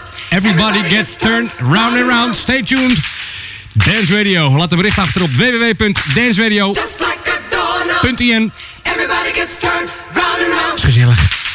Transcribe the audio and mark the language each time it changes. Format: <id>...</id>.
<en>Everybody gets turned round and round. Stay tuned. Dance Radio.</en> <nl>Laat een bericht achter op www.danceradio.in.</nl> <en>Everybody gets turned round and round.</en> <nl>Is gezellig.</nl>